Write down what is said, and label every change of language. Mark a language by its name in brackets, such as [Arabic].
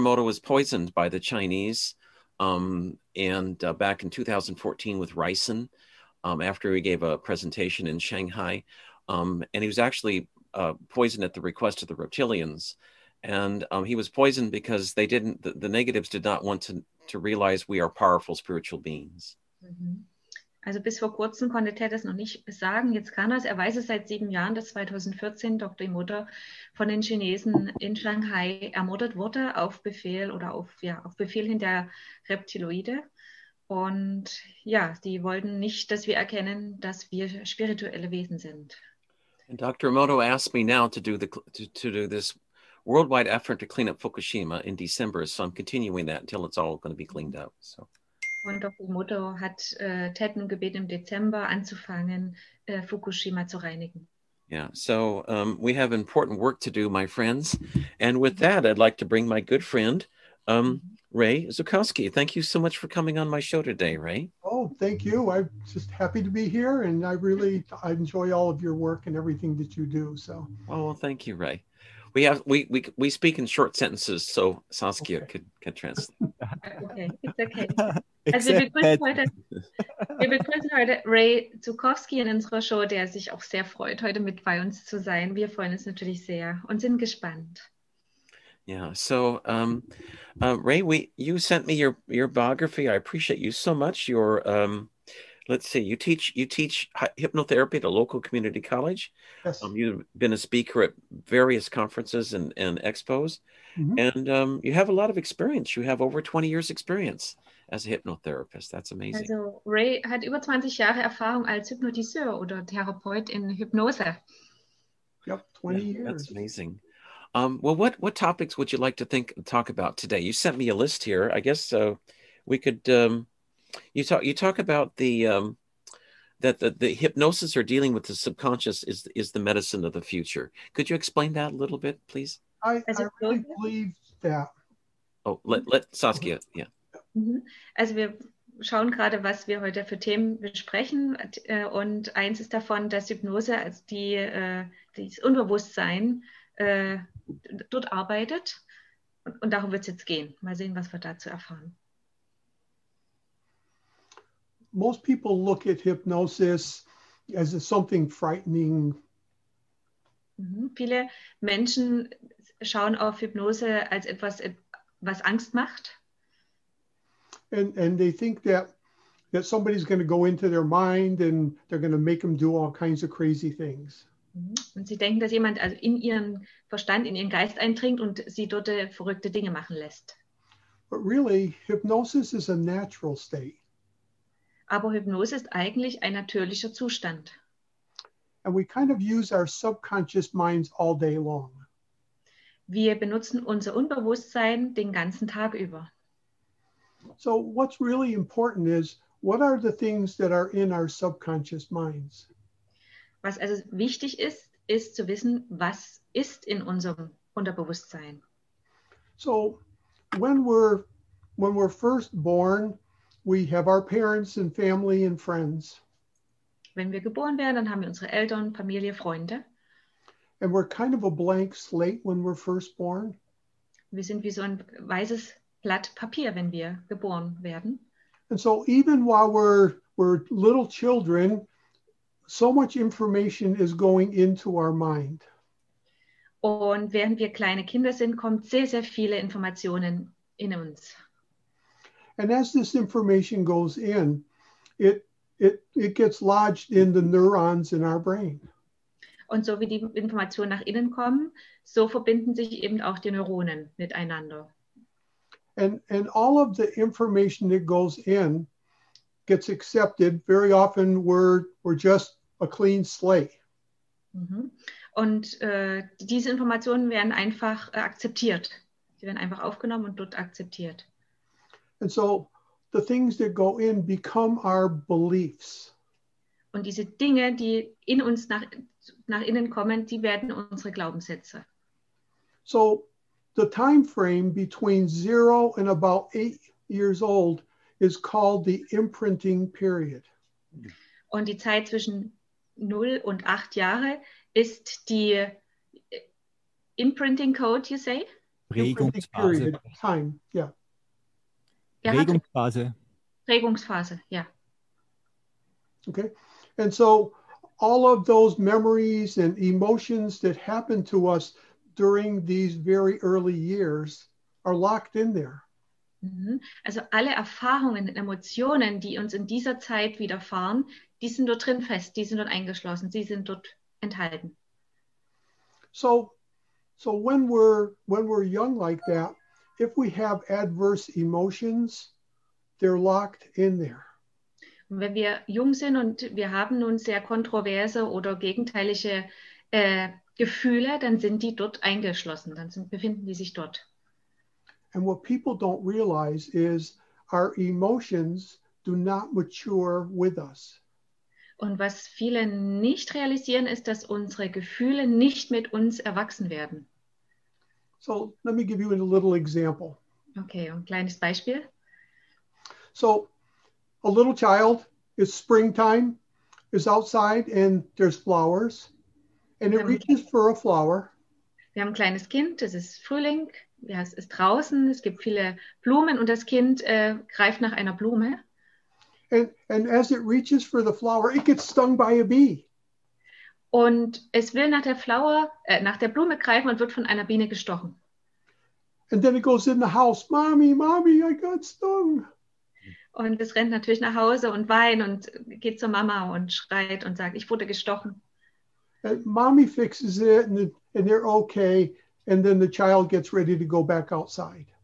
[English] Moto was poisoned by the Chinese and back in 2014 with ricin after he gave a presentation in Shanghai. And he was actually poisoned at the request of the reptilians. And he was poisoned because they didn't, the negatives did not want to realize we are powerful spiritual beings. Mm-hmm. [German] Also bis vor kurzem konnte Ted das noch nicht sagen. Jetzt kann er weiß es seit 7 Jahren, dass 2014 Dr. Moto von den Chinesen in Shanghai ermordet wurde auf Befehl oder auf Befehl hin der Reptiloide. Und ja, die wollten nicht, dass wir erkennen, dass wir spirituelle Wesen sind. [English] And Dr. Moto asked me now to do this worldwide effort to clean up Fukushima in December, so I'm continuing that until it's all going to be cleaned up. So. [German] Und Dr. Moto hat Ted nun gebeten, im Dezember anzufangen, Fukushima zu reinigen. [English] Yeah, so we have important work to do, my friends. And with that, I'd like to bring my good friend, Ray Zukowski. Thank you so much for coming on my show today, Ray. Oh, thank you. I'm just happy to be here. And I enjoy all of your work and everything that you do. So. Oh, well, thank you, Ray. We speak in short sentences, so Saskia could translate. Okay, it's okay. [German] Also wir begrüßen heute Ray Zukowski in unserer Show, der sich auch sehr freut, heute mit bei uns zu sein. Wir freuen uns natürlich sehr und sind gespannt. [English] Yeah, so Ray, you sent me your biography. I appreciate you so much. Let's see, you teach hypnotherapy at a local community college. Yes. You've been a speaker at various conferences and expos. Mm-hmm. And you have a lot of experience. You have over 20 years experience as a hypnotherapist. That's amazing. [German] Also Ray hat über 20 Jahre Erfahrung als Hypnotiseur oder Therapeut in Hypnose. [English] Yep, 20 years. That's amazing. What topics would you like to talk about today? You sent me a list here. I guess so. We could... You talk about the hypnosis or dealing with the subconscious is the medicine of the future. Could you explain that a little bit, please? I really believe that. Oh, let Saskia, yeah. [German] Also wir schauen gerade, was wir heute für Themen besprechen. Und eins ist davon, dass Hypnose, also das Unbewusstsein, dort arbeitet. Und darum wird es jetzt gehen. Mal sehen, was wir dazu erfahren. [English] Most people look at hypnosis as something frightening. [German] Viele Menschen schauen auf Hypnose als etwas, was Angst macht. [English] And they think that somebody's going to go into their mind and they're going to make them do all kinds of crazy things. [German] Und sie denken, dass jemand also in ihren Verstand, in ihren Geist eindringt und sie dort verrückte Dinge machen lässt. [English] But really, hypnosis is a natural state. [German] Aber Hypnose ist eigentlich ein natürlicher Zustand. [English] And we kind of use our subconscious minds all day long. [German] Wir benutzen unser Unbewusstsein den ganzen Tag über. [English] So what's really important is, what are the things that are in our subconscious minds? [German] Was also wichtig ist, ist zu wissen, was ist in unserem Unterbewusstsein. [English] So when we're first born, we have our parents and family and friends. [German] Wenn wir geboren werden, dann haben wir unsere Eltern, Familie, Freunde. [English] And we're kind of a blank slate when we're first born. [German] Wir sind wie so ein weißes Blatt Papier, wenn wir geboren werden. [English] And so even while we're little children, so much information is going into our mind. [German] Und während wir kleine Kinder sind, kommt sehr, sehr viele Informationen in uns. [English] And as this information goes in, it gets lodged in the neurons in our brain. [German] Und so wie die Informationen nach innen kommen, so verbinden sich eben auch die Neuronen miteinander. [English] And all of the information that goes in gets accepted. Very often we're just a clean slate. [German] Und diese Informationen werden einfach akzeptiert. Sie werden einfach aufgenommen und dort akzeptiert. [English] And so the things that go in become our beliefs. [German] Und diese Dinge, die in uns nach innen kommen, die werden unsere Glaubenssätze. [English] So the time frame between 0 and about 8 years old is called the imprinting period. [German] Und die Zeit zwischen 0 und 8 Jahre ist die [English] imprinting code, you say? [German] Prägungsphase. [English] Period, time, yeah. [German] Prägungsphase. Prägungsphase, ja. [English] Okay. And so all of those memories and emotions that happen to us during these very early years are locked in there. [German] Also alle Erfahrungen und Emotionen, die uns in dieser Zeit widerfahren, die sind dort drin fest, die sind dort eingeschlossen, sie sind dort enthalten. [English] So when we're young like that, if we have adverse emotions, they're locked in there. [German] Wenn wir jung sind und wir haben nun sehr kontroverse oder gegenteilige Gefühle, dann sind die dort eingeschlossen, befinden die sich dort. [English] And what people don't realize is our emotions do not mature with us. [German] Und was viele nicht realisieren, ist, dass unsere Gefühle nicht mit uns erwachsen werden. [English] So, let me give you a little example. [German] Okay, ein kleines Beispiel. [English] So, a little child, it's springtime, is outside and there's flowers, and it reaches for a flower. [German] Wir haben ein kleines Kind, es ist Frühling, ja, es ist draußen, es gibt viele Blumen und das Kind greift nach einer Blume. [English] And as it reaches for the flower, it gets stung by a bee. [German] Und es will nach der Flower, nach der Blume greifen und wird von einer Biene gestochen. [English] And then it goes in the house, Mommy, Mommy, I got stung. [German] Und es rennt natürlich nach Hause und weint und geht zur Mama und schreit und sagt, ich wurde gestochen. [English] And Mommy fixes it and they're okay. And then the child gets ready to go back outside.